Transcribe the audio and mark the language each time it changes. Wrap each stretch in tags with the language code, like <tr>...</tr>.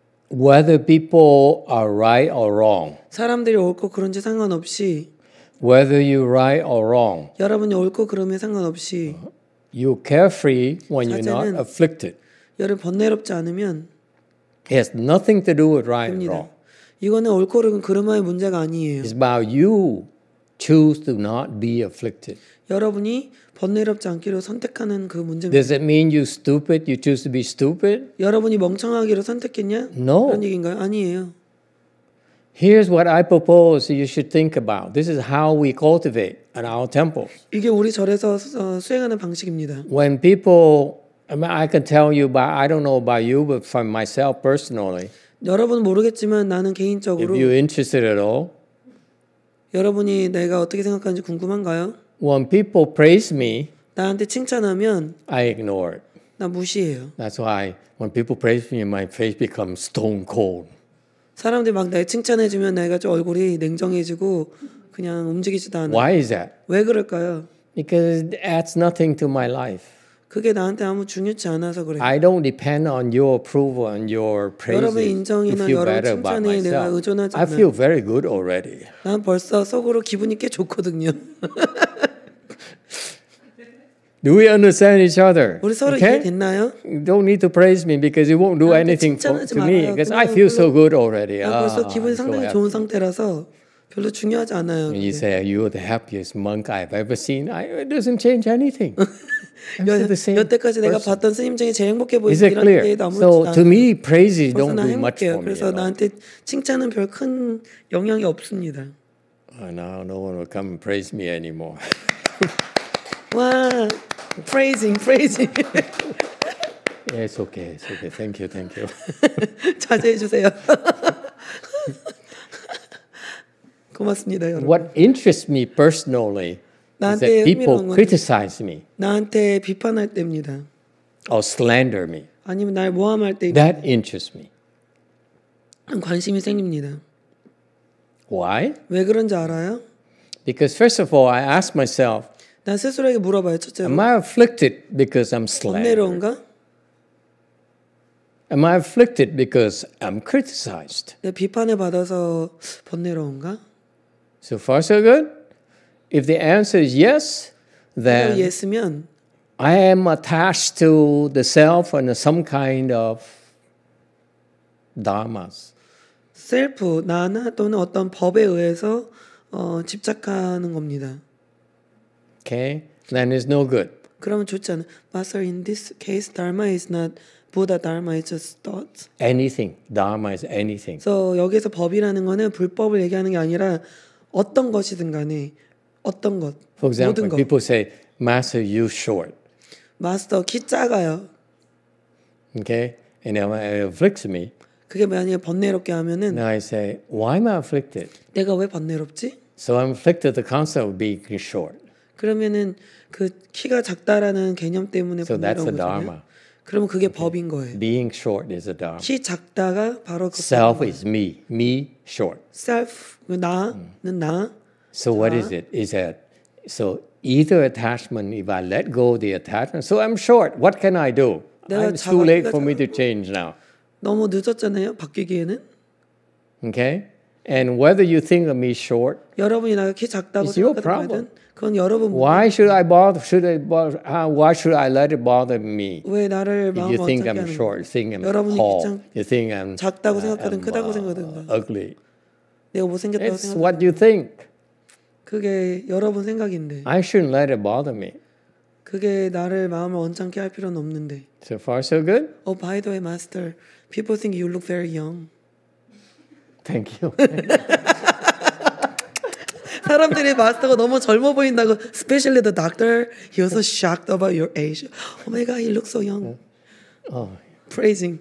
<en>Whether people are right or wrong.</en> <ko>사람들이 옳고 그런지 상관없이</ko> <en>Whether you right or wrong.</en> <ko>여러분이 옳고 그름에 상관없이</ko> <en>You carefree when you're not afflicted.</en> <ko>여러분 번뇌롭지 않으면</ko> <en>It has nothing to do with right and wrong.</en> <ko>이거는 옳고 그름의 문제가 아니에요.</ko> <en>It's about you choose to not be afflicted.</en> <ko>여러분이 번뇌롭지 않기로 선택하는 그 문제입니다.</ko> <en>Does it mean you stupid? You choose to be stupid?</en> <ko>여러분이 멍청하기로 선택했냐?</ko> <en>No.</en> <ko>그런 얘기인가요? 아니에요.</ko> <en>Here's what I propose you should think about. This is how we cultivate at our temple.</en> <ko>이게 우리 절에서 수행하는 방식입니다.</ko> <en>When people, I mean, I can tell you, but I don't know about you, but for myself personally.</en> <ko>여러분 모르겠지만 나는 개인적으로.</ko> <en>If you're interested at all.</en> <ko>여러분이 내가 어떻게 생각하는지 궁금한가요?</ko> <en>When people praise me,</en> <ko>나한테 칭찬하면,</ko> <en>I ignore it.</en> <ko>나 무시해요.</ko> <en>That's why when people praise me, my face becomes stone cold.</en> <ko>사람들이 막 나를 칭찬해주면 내가 좀 얼굴이 냉정해지고 그냥 움직이지도 않아.</ko> <en>Why is that?</en> <ko>왜 그럴까요?</ko> <en>Because it adds nothing to my life.</en> <ko>그게 나한테 아무 중요치 않아서 그래.</ko> <en>I don't depend on your approval and your praise.</en> <ko>여러분 인정이나 여러분 칭찬에 내가 의존하지 않아.</ko> <en>I feel very good already.</en> <ko>난 벌써 속으로 기분이 꽤 좋거든요.</ko> <en>Do we understand each other?</en> <ko>우리 서로 okay? 이해됐나요?</ko> <en>Don't need to praise me because you won't do anything to me</en> <ko>말아요.</ko> <en>because I feel so good already.</en> <ko>나 벌써 기분이 상당히 좋은 상태라서 별로 중요하지 않아요.</ko> <en>You say you're the happiest monk I've ever seen. It doesn't change anything.</en> <ko>여태까지 내가 봤던 스님 중에 제일 행복해 보이는 이런 게 아무렇지 않아요.</ko> <en>So to me, praises don't do much for me.</en> <ko>그래서 나한테 칭찬은 별 큰 영향이 없습니다.</ko> <en>Now no one will come and praise me anymore. 와, praising. It's okay, it's okay. Thank you, thank you.</en> <ko>자제해 주세요. 고맙습니다, 여러분.</ko> <en>What interests me personally is that people criticize me.</en> <ko>나한테 비판할 때입니다.</ko> <en>Or slander me.</en> <ko>아니면 날 모함할 때입니다.</ko> <en>That interests me.</en> <ko>관심이 생깁니다.</ko> <en>Why?</en> <ko>왜 그런지 알아요?</ko> <en>Because first of all, I ask myself,</en> <ko>난 스스로에게 물어봐요, 첫째로.</ko> <en>Am I afflicted because I'm slandered?</en> <ko>번뇌로운가?</ko> <en>Am I afflicted because I'm criticized?</en> <ko>내 비판을 받아서 번뇌로운가?</ko> <en>So far so good? If the answer is yes, then</en> <ko>예스면,</ko> <en>I am attached to the self and some kind of dharmas.</en> <ko>셀프, 나나 또는 어떤 법에 의해서 집착하는 겁니다.</ko> <en>Okay, then it's no good.</en> <ko>그러면 좋지 않아.</ko> <en>But sir, in this case, dharma is not Buddha dharma. It's just thoughts. Anything. Dharma is anything.</en> <ko>So 여기서 법이라는 거는 불법을 얘기하는 게 아니라 어떤 것이든 간에 어떤 것.</ko> <en>For example, people say, Master, you short.</en> <ko>Master, 키 작아요.</ko> <en>Okay, and it afflicts me.</en> <ko>그게 만약에 번뇌롭게 하면은.</ko> <en>Now I say, why am I afflicted?</en> <ko>내가 왜 번뇌롭지?</ko> <en>So I'm afflicted the concept of being short.</en> <ko>그러면은 그 키가 작다라는 개념 때문에 번뇌로운 거잖아요. 그러면 그게 okay. 법인 거예요.</ko> <en>Being short is a dharma.</en> <ko>키 작다가 바로 그</ko> <en>Self is me. Me short.</en> <ko>Self 나는 나.</ko> <en>So 자. What is it? Is that so either attachment if I let go the attachment. So I'm short. What can I do? It's too late for me to change now.</en> <ko>너무 늦었잖아요. 바뀌기에는.</ko> <en>Okay? And whether you think of me short</en> <ko>여러분이 나 키 작다고 생각하든 그건 여러분 문제.</ko> <en>Why should I bother? Should I bother? Why should I let it bother me?</en> <ko>왜 나를 마음</ko> <en>If you think I'm short, you think I'm tall. You think I'm</en> <ko>작다고 생각하든 크다고 생각하든</ko> <en>ugly.</en> <ko>내가 못 생겼다고</ko> <en>It's what you think.</en> <ko>그게 여러분 생각인데.</ko> <en>I shouldn't let it bother me.</en> <ko>그게 나를 마음을 언짢게 할 필요는 없는데.</ko> <en>So far, so good. Oh, by the way, Master, people think you look very young. Thank you.</en> <ko>사람들이 마스터가 너무 젊어 보인다고</ko> <en>especially the doctor he was so shocked about your age. Oh my god, he looks so young. Oh. Praising.</en>